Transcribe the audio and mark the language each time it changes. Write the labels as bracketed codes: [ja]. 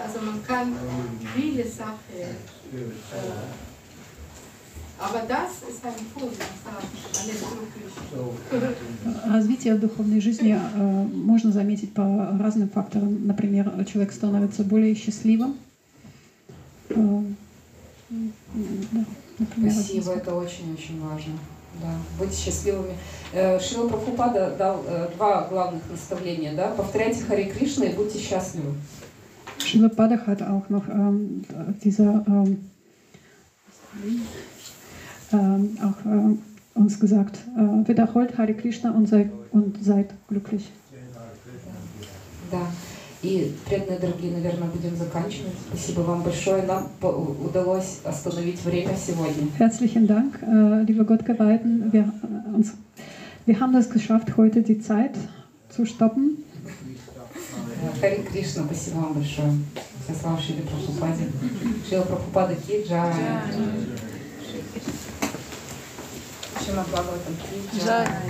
[de] Also man kann viele Sachen. Aber das ist ein Punkt, alles glücklich. [ru] Развитие духовной жизни можно заметить по разным факторам. Например, человек становится более счастливым. Спасибо, это очень-очень важно. Да, быть счастливыми. Шрила Прабхупада дал два главных наставления, да? Повторяйте Харе Кришна и будьте счастливы. [de] Шрила Прабхупада hat auch noch dieser auch uns gesagt, wiederholt Hare Krishna und seid glücklich. [ru] Да. И, преданные дорогие, наверное, будем заканчивать. Спасибо вам большое. Нам удалось остановить время сегодня. [de] Herzlichen Dank, liebe Gottgeweihten. Wir haben es geschafft, heute die Zeit zu stoppen. [ru] Харе Кришна, спасибо вам большое. Все слава Шриле Прабхупаде. [hi] Шрила Прабхупада ки джай. Шрила Прабхупада ки джай.